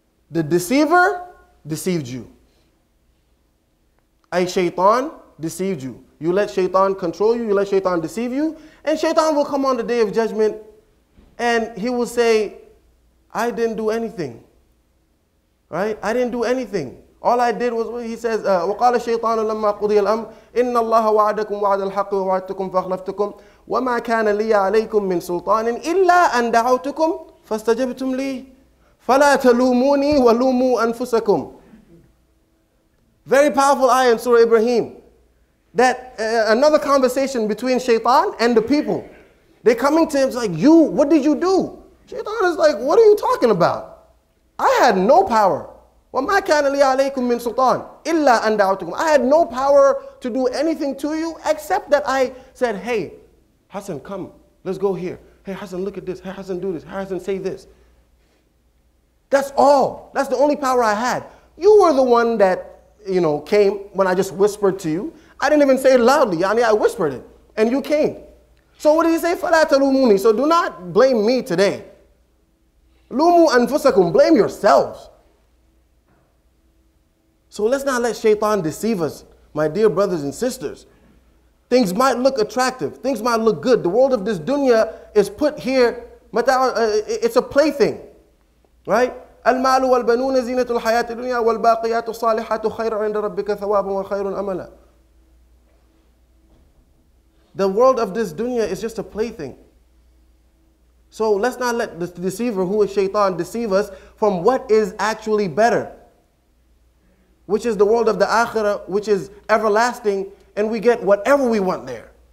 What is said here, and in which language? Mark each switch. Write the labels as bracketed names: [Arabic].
[English] The deceiver deceived you. A shaitan deceived you. You let shaitan control you, you let shaitan deceive you, and shaitan will come on the day of judgment and he will say, I didn't do anything. Right? I didn't do anything. All I did was, he says, [Arabic] وَقَالَ الشَّيْطَانُ لَمَّا قُضِيَ الْأَمْرُ إِنَّ اللَّهَ وَعَدَكُمْ وَعَدَ الْحَقِّ وَوَعَدْتُكُمْ فَأَخْلَفْتُكُمْ وَمَا كَانَ لِيَ عَلَيْكُمْ مِنْ سُلْطَانٍ إِلَّا أَنْ دَعَوْتُكُمْ فَاسْتَجَبْتُمْ لِي فَلَا تَلُومُونِي وَلُومُوا أَنفُسَكُمْ. [English] Very powerful ayah in Surah Ibrahim. That another conversation between shaitan and the people. They're coming to him like, you, what did you do? Shaitan is like, what are you talking about? I had no power. [Arabic] وَمَا كَانَ لِيَ عَلَيْكُمْ مِنْ سُلْطَانٍ إِلَّا أَنْ دَعَوْتُكُمْ. [English] I had no power to do anything to you except that I said, hey, Hassan, come, let's go here. Hey, Hassan, look at this. Hey, Hassan, do this. Hey, Hassan, say this. That's all. That's the only power I had. You were the one that, you know, came when I just whispered to you. I didn't even say it loudly. Yani, I whispered it. And you came. So what did he say? [Arabic] فَلَا تَلُومُونِي. [English] So do not blame me today. [Arabic] لُومُوا أَنفُسَكُمْ. [English] Blame yourselves. So let's not let shaitan deceive us, my dear brothers and sisters. Things might look attractive. Things might look good. The world of this dunya is put here. It's a plaything, right? [Arabic] المال والبنون زينة الحياة الدنيا والباقيات الصالحات خير عند ربك ثوابا وخير أملا. [English] The world of this dunya is just a plaything. So let's not let the deceiver, who is shaitan, deceive us from what is actually better, which is the world of the akhirah, which is everlasting, and we get whatever we want there.